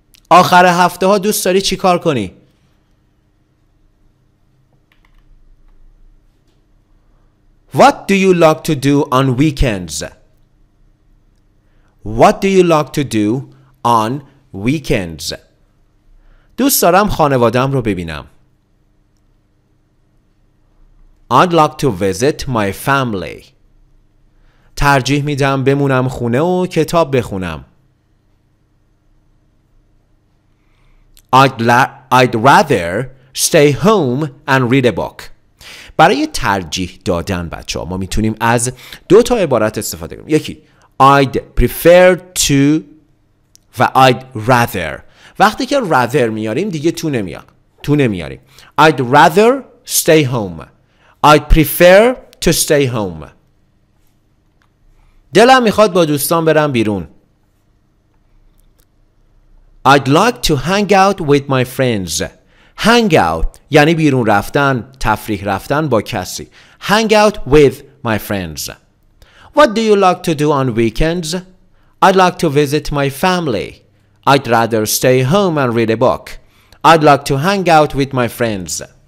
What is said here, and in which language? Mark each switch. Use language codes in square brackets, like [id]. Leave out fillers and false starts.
[en] آخر هفته ها دوست داری چی کار کنی؟ What do you like to do on weekends? What do you like to do on weekends? [fa] دوست دارم خانواده‌ام رو ببینم. [en] I'd like to visit my family. [fa] ترجیح میدم بمونم خونه و کتاب بخونم. [en] I'd rather stay home and read a book. [fa] برای ترجیح دادن بچه ها ما میتونیم از دو تا عبارت استفاده کنیم. [en] یکی I'd prefer to و I'd rather. [fa] وقتی که rather میاریم دیگه تو نمیاد. [en] تو نمیاریم. I'd rather stay home. I'd prefer to stay home. [fa] دلم میخواد با دوستان برم بیرون. [en] I'd like to hang out with my friends. [fa] Hang out یعنی بیرون رفتن، تفریح رفتن با کسی. [en] Hang out with my friends. What do you like to do on weekends? I'd like to visit my family. I'd rather stay home and read a book. I'd like to hang out with my friends.